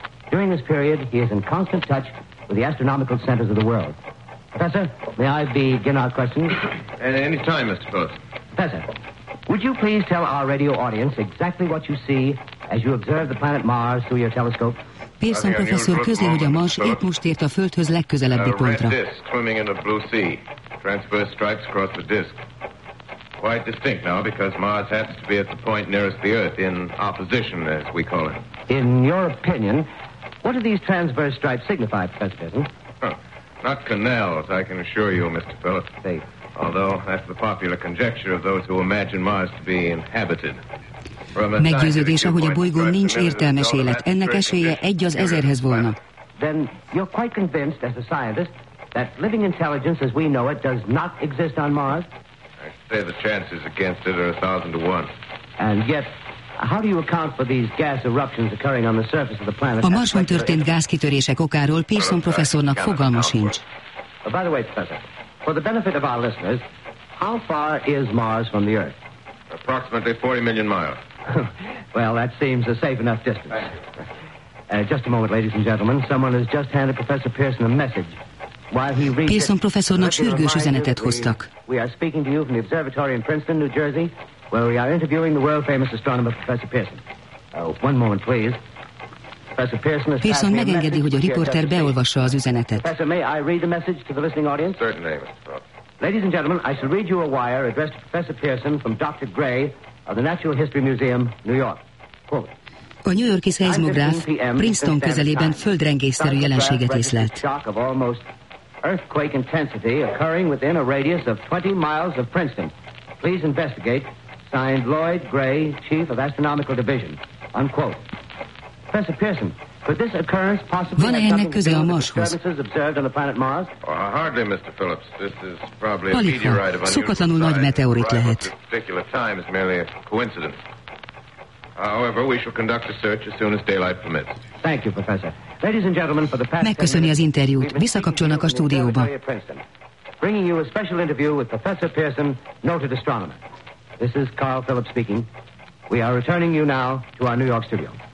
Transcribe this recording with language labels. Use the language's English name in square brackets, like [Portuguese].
[English] During this period, he is in constant touch with the astronomical centers of the world. Professor, may I begin our questions? At any time, Mr. Post. Professor, would you please tell our radio audience exactly what you see as you observe the planet Mars through your telescope? [Hungarian] Pearson professzor közli, hogy a Mars épp most ért a Földhöz legközelebbi pontra. [English] A red disk swimming in a blue sea. Transverse stripes across the disk. Quite distinct now, because Mars happens to be at the point nearest the Earth, in opposition, as we call it. In your opinion, what do these transverse stripes signify, Professor Pearson? Not canals, I can assure you, Mr. Phillips. Safe. Although that's the popular conjecture of those who imagine Mars to be inhabited. [Hungarian] Meggyőződése, hogy a bolygón nincs értelmes élet. Ennek esélye egy az ezerhez volna. [English] Then you're quite convinced, as a scientist, that living intelligence as we know it does not exist on Mars? Say the chances against it are 1,000 to 1. And yet, how do you account for these gas eruptions occurring on the surface of the planet? [Hungarian] A Marson történt gázkitörések okáról Pearson professzornak fogalma sincs. [English] By the way, Professor, for the benefit of our listeners, how far is Mars from the Earth? Approximately 40 million miles. Well, that seems a safe enough distance. Just a moment, ladies and gentlemen. Someone has just handed Professor Pearson a message. [Hungarian] Pearson professzornak sürgős üzenetet hoztak. [English] We are speaking to you from the observatory in Princeton, New Jersey, where we are interviewing the world-famous astronomer Professor Pearson. One moment, please. Professor Pearson is. [Hungarian] Pearson megengedi, hogy a riporter beolvassa az üzenetet. [English] Professor, may I read the message to the listening audience? Certainly, Mr. Professor. Ladies and gentlemen, I shall read you a wire addressed to Professor Pearson from Dr. Gray of the Natural History Museum, New York. Quote. [Hungarian] A New York-i szeizmográf Princeton közelében földrengésszerű jelenséget észlelt. [English] Earthquake intensity occurring within a radius of 20 miles of Princeton. Please investigate. Signed Lloyd Gray, Chief of Astronomical Division. Unquote. Professor Pearson, could this occurrence possibly have something to do with the disturbances observed on the planet Mars? Hardly, Mr. Phillips. This is probably a meteorite of unusual size. Particular time is merely a coincidence. However, we shall conduct a search as soon as daylight permits. Thank you, Professor. Ladies and gentlemen, for the past. [Hungarian] Megköszöni az interjút. Visszakapcsolnak a stúdióba. [English] Bringing you a special interview with Professor Pearson, noted astronomer. This is Carl Phillips speaking. We are returning you now to our New York studio.